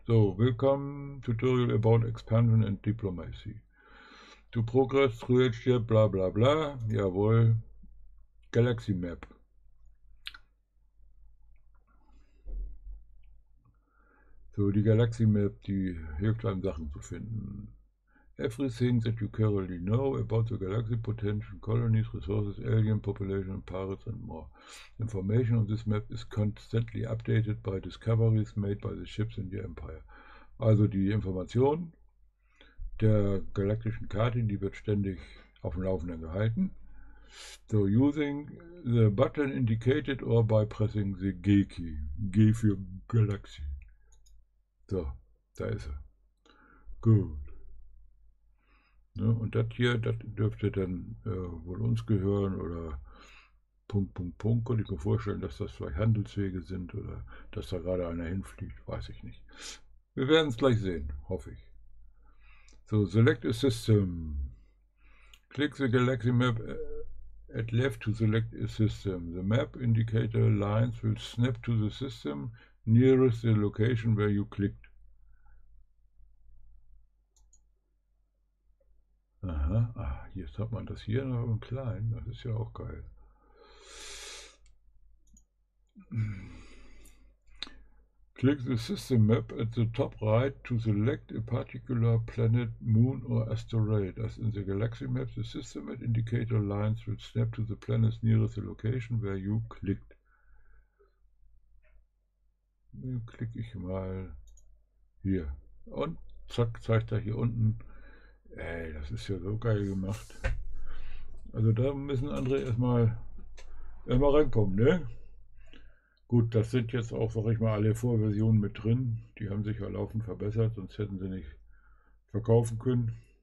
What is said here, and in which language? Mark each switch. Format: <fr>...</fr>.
<en>So,</en> <de>willkommen,</de> <en>Tutorial about Expansion and Diplomacy. To progress through HDR, bla bla bla,</en> <de>jawohl,</de> <en>Galaxy Map.</en> <de>So, die Galaxy Map, die hilft einem Sachen zu finden.</de> <en>Everything that you currently know about the galaxy potential, colonies, resources, alien population, pirates and more. Information on this map is constantly updated by discoveries made by the ships in your empire.</en> <de>Also die Information der galaktischen Karte, die wird ständig auf dem Laufenden gehalten.</de> <en>So, using the button indicated or by pressing the G key.</en> <de>G für Galaxy. So, da ist er. Gut. Ne, und das hier, das dürfte dann wohl uns gehören oder Punkt, Punkt, Punkt. Könnte ich mir vorstellen, dass das vielleicht Handelswege sind oder dass da gerade einer hinfliegt, weiß ich nicht. Wir werden es gleich sehen, hoffe ich. So,</de> <en>select a system. Click the Galaxy Map at left to select a system. The map indicator lines will snap to the system nearest the location where you clicked.</en> <de>Aha, ah, jetzt hat man das hier noch im Kleinen, das ist ja auch geil.</de> <en>Click the system map at the top right to select a particular planet, moon or asteroid. As in the galaxy map, the system at indicator lines will snap to the planets nearest the location where you clicked.</en> <de>Klicke ich mal hier und zack, zeigt er hier unten. Ey, das ist ja so geil gemacht. Also da müssen andere erstmal reinkommen, ne? Gut, das sind jetzt auch, sag ich mal, alle Vorversionen mit drin. Die haben sich ja laufend verbessert, sonst hätten sie nicht verkaufen können.</de>